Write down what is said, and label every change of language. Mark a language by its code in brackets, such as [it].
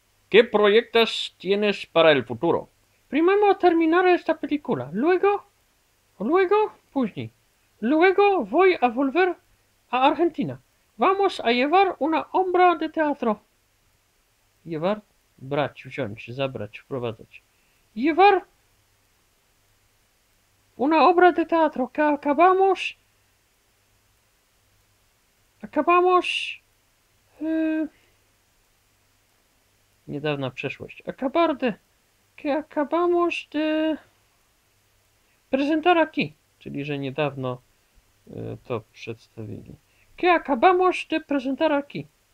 [es] ¿Qué proyectos tienes para el futuro? Primero terminar esta película, luego voy a volver a Argentina. Vamos a llevar una obra de teatro. [pl] Llevar, brać, wziąć, zabrać, wprowadzać. [es] Llevar obra de teatro que acabamos... Acabamos... [pl] Niedawna przeszłość. [es] Acabar de... Que acabamos de... Prezentar aquí. [pl] Czyli, że niedawno to przedstawili. [es] Que acabamos de presentar aquí.